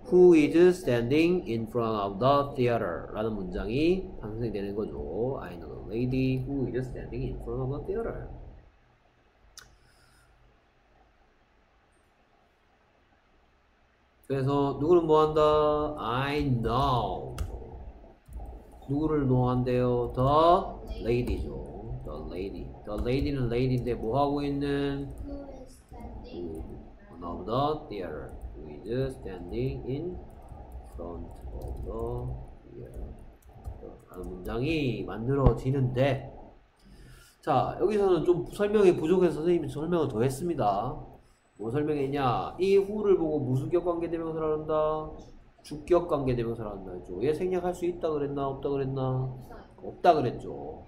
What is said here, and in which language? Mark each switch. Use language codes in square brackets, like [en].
[en] Who is standing in front of the theater? [ko] 라는 문장이 방생이 되는 거죠. [en] I know the lady who is standing in front of the theater. [ko] 그래서 누구를 뭐 한다? [en] I know. [ko] 누구를 노한대요? [en] The lady [ko] 죠. The lady. [en] The lady [ko] 는 lady인데 뭐 하고 있는? [en] Who is standing in front of the theater? Who is standing in front of the theater? [ko] 라는 문장이 만들어지는데, 자 여기서는 좀 설명이 부족해서 선생님이 설명을 더 했습니다. 뭐 설명했냐? 이 who를 보고 무수격 관계대명사를 한다. 주격 관계대명사를 한다 했죠. 얘 생략할 수 있다 그랬나? 없다 그랬나? 없다 그랬죠.